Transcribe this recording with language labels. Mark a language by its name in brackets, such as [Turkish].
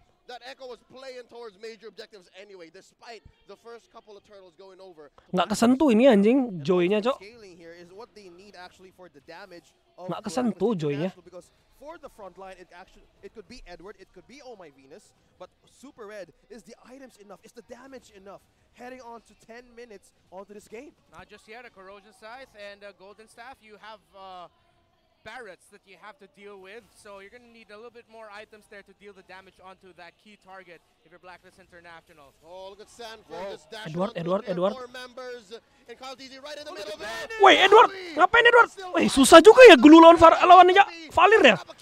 [English] That Echo was playing towards major objectives anyway, despite the first couple of turtles going over. [Indonesian] Nggak kesentuh ini anjing, Joy-nya, Cok. Nggak kesentuh Joy-nya. [English] For the front line, it could be Edward, it could be Oh My Venus, but Super Red, is the items enough? Is the damage enough? Heading on to 10 minutes onto this game. Not just yet, a Corrosion Scythe and a Golden Staff. You have Barretts that you have to deal with, so you're going to need a little bit more items there to deal the damage onto that key target if you're Blacklist International. Oh, look at Sanford. Whoa. Just dash Edward, Edward, Edward. Members, and Carl Deasy right in the middle of it. Wait, [Indonesian] Edward! Ngapain Edward? [English] Wait, [Indonesian] susah juga ya glue lawan Valir ya?